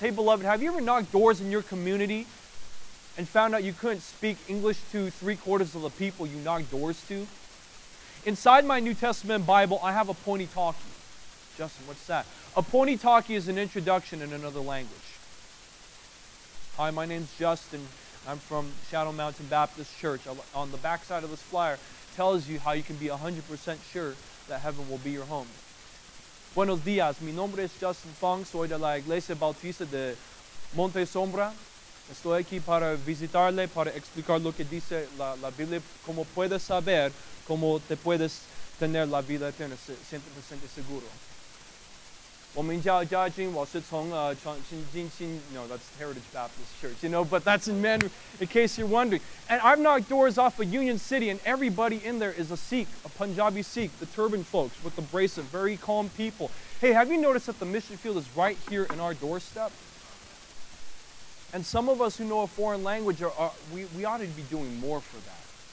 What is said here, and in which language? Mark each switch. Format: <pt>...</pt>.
<en>Hey, beloved, have you ever knocked doors in your community and found out you couldn't speak English to 3/4 of the people you knocked doors to? Inside my New Testament Bible, I have a pointy talkie. Justin, what's that? A pony talkie is an introduction in another language. Hi, my name's Justin. I'm from Shadow Mountain Baptist Church. On the backside of this flyer tells you how you can be 100% sure that heaven will be your home.</en> <es>Buenos dias. Mi nombre es Justin Fong. Soy de la Iglesia Bautista de Monte Sombra. Estoy aquí para visitarle, para explicar lo que dice la Biblia. Cómo puedes saber, cómo te puedes tener la vida eterna, 100% seguro.</es> <zh>我们家家境我是从新进新,</zh> <en>no, that's Heritage Baptist Church, you know, but that's in Mandarin, in case you're wondering. And I've knocked doors off of Union City, and everybody in there is a Sikh, a Punjabi Sikh, the turban folks with the brace of very calm people. Hey, have you noticed that the mission field is right here in our doorstep? And some of us who know a foreign language, we ought to be doing more for that.</en>